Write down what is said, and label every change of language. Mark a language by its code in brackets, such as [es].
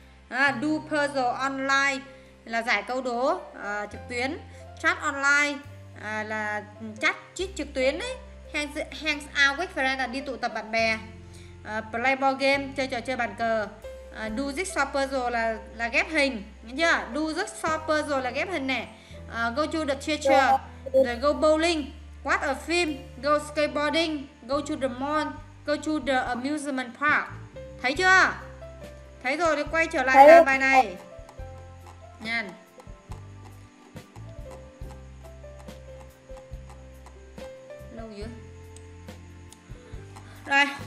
[en] Do puzzle online [vi] là giải câu đố trực tuyến. [en] Chat online [vi] là chat chít trực tuyến ấy. [en] Hangs out with friends [vi] là đi tụ tập bạn bè. [en] Play board game, [vi] chơi trò chơi bàn cờ. [en] Do jigsaw puzzle [vi] là ghép hình, nghe chưa? Do jigsaw puzzle là ghép hình nè. [en] Go to the theater, rồi go bowling, watch a film, go skateboarding, go to the mall, go to the amusement park. [vi] Thấy chưa? Thấy rồi thì quay trở lại làm bài này. Nhìn. Lâu dữ. Rồi.